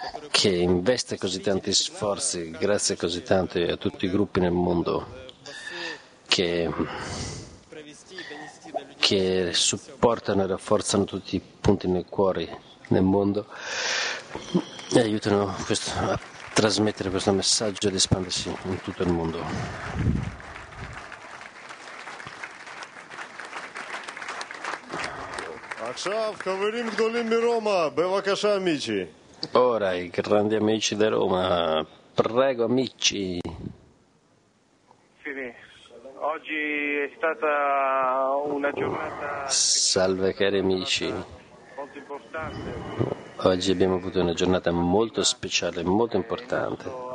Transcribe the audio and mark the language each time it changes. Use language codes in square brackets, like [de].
[it] che investe così tanti sforzi, grazie così tanto a tutti i gruppi nel mondo che supportano e rafforzano tutti i punti nel cuore nel mondo e aiutano a trasmettere questo messaggio ed espandersi in tutto il mondo. [he] עכשיו חברים גדולים מרומא, בבקשה [it] אמיצ'י. Ora i grandi amici di Roma, prego amici. Fini. Oggi è stata una giornata. Salve cari amici. Molto importante. Oggi abbiamo avuto una giornata molto speciale, molto importante.